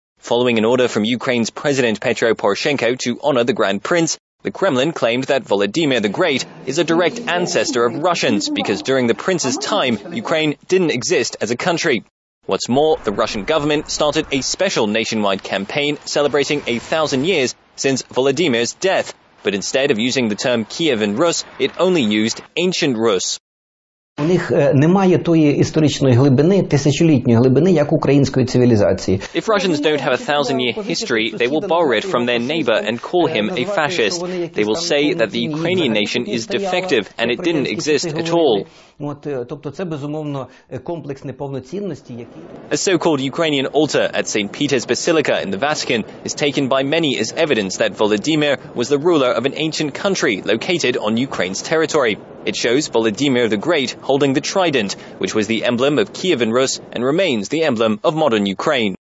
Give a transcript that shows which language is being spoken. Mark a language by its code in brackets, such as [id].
[en] Following an order from Ukraine's President Petro Poroshenko to honor the Grand Prince, the Kremlin claimed that Volodymyr the Great is a direct ancestor of Russians because during the prince's time, Ukraine didn't exist as a country. What's more, the Russian government started a special nationwide campaign celebrating 1,000 years since Volodymyr's death, but instead of using the term Kievan Rus, it only used ancient Rus. [uk] У них немає тої історичної глибини, тисячолітньої глибини, як української цивілізації. [en] If Russians don't have a thousand-year history, they will borrow it from their neighbor and call him a fascist. They will say that the Ukrainian nation is defective and it didn't exist at all. [uk] Тобто це, безумовно, комплекс неповноцінності, який... [en] A so-called Ukrainian altar at St. Peter's Basilica in the Vatican is taken by many as evidence that Volodymyr was the ruler of an ancient country located on Ukraine's territory. It shows Volodymyr the Great holding the trident, which was the emblem of Kievan Rus and remains the emblem of modern Ukraine.